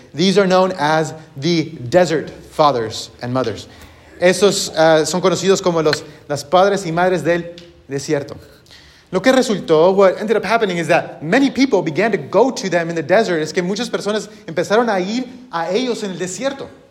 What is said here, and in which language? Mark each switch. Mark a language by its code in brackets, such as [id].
[en] These are known as the desert fathers and mothers. [es] Esos son conocidos como las padres y madres del desierto. Lo que resultó, [en] what ended up happening, is that many people began to go to them in the desert. [es] Es que muchas personas empezaron a ir a ellos en el desierto.